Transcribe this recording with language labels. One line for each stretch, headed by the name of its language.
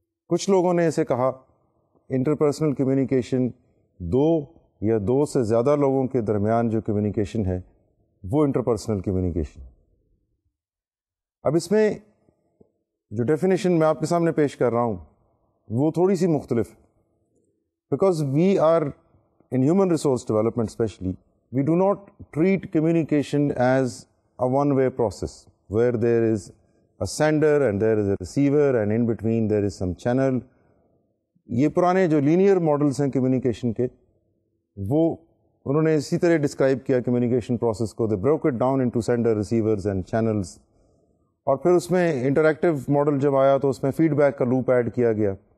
Urdu: Kuch logon ne ise kaha,
English: interpersonal communication
Urdu: do یا دو سے زیادہ لوگوں کے درمیان جو کمیونیکیشن ہے وہ انٹرپرسنل کمیونیکیشن. اب اس میں جو ڈیفینیشن میں آپ کے سامنے پیش کر رہا ہوں وہ تھوڑی سی مختلف ہے.
English: Because we are in human resource development especially we do not treat communication as a one way process where there is a sender and there is a receiver and in between there is some channel.
Urdu: یہ پرانے جو linear models ہیں communication کے وہ انہوں نے اسی طرح ڈسکرائب کیا کمیونیکیشن پروسیس کو.
English: They broke it down into sender receivers and channels.
Urdu: اور پھر اس میں انٹریکٹیو ماڈل جب آیا تو اس میں فیڈ بیک کا لوپ ایڈ کیا گیا.